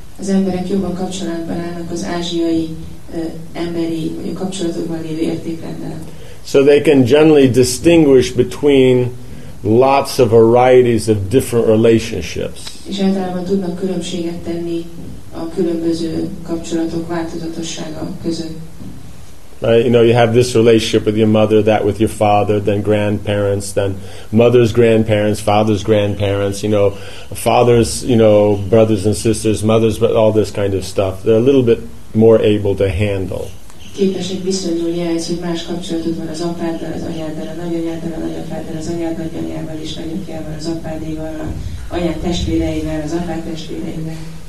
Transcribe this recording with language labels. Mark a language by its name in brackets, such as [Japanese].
[Hungarian] Az emberek jobban kapcsolatban állnak az ázsiai emberi kapcsolatokban lévő értékrenddel. [English] So they can generally distinguish between lots of varieties of different relationships. [Hungarian] És általában tudnak különbséget tenni a különböző kapcsolatok változatossága között. [English] Right, you know, you have this relationship with your mother, that with your father, then grandparents, then mother's grandparents, father's grandparents, you know, father's, you know, brothers and sisters, mother's, but all this kind of stuff. They're a little bit more able to handle. [Hungarian] Képesek viszonyulni ehhez, hogy más kapcsolatod van az apáddal, az anyáddal, a nagyanyáddal, a nagyapáddal, az anyád nagyanyával és nagyapjával, az apádéval, az anyád testvéreivel, az apád testvéreivel.